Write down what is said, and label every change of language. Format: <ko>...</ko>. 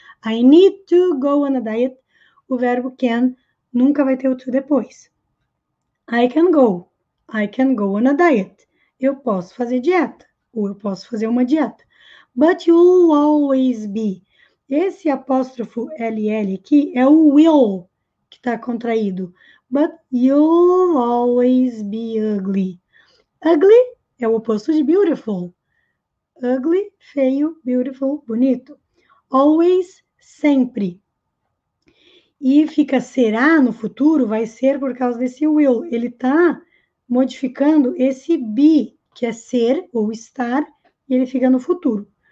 <en>I need to go on a diet.</en> <pt>O verbo can nunca vai ter o to depois.</pt> <en>I can go. I can go on a diet.</en> <pt>Eu posso fazer dieta. Ou eu posso fazer uma dieta.</pt> <en>But you'll always be.</en> <pt>Esse apóstrofo LL aqui é o will que está contraído.</pt> <en>But you'll always be ugly.</en> <pt>Ugly é o oposto de beautiful. Ugly, feio, beautiful, bonito. Always, sempre. E fica será no futuro, vai ser por causa desse will. Ele está modificando esse be, que é ser ou estar, e ele fica no futuro.</pt>